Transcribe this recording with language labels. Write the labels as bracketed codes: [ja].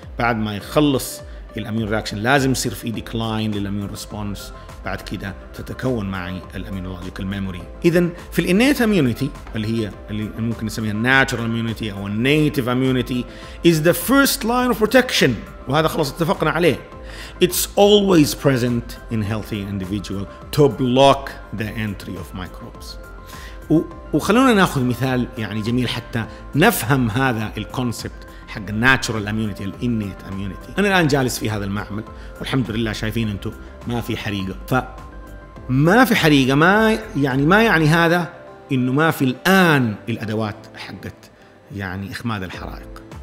[ar] بعد ما يخلص الامين رياكشن لازم يصير في ديكلاين للامين ريسبونس، بعد كده تتكون معي الاميونولوجيكال ميموري. اذا في الانيت اميونيتي اللي هي اللي ممكن نسميها الناتشرال اميونيتي او النيتيف اميونيتي [en] is the first line of protection, [ar] وهذا خلاص اتفقنا عليه. [en] It's always present in healthy individual to block the entry of microbes. [ar] وخلونا ناخذ مثال يعني جميل حتى نفهم هذا الكونسبت حق الناتشرال اميونيتي، الانيت اميونيتي. انا الان جالس في هذا المعمل والحمد لله شايفين انتم ما في حريقه، فما في حريقه ما يعني ما يعني هذا انه ما في الان الادوات حقت يعني اخماد الحرائق.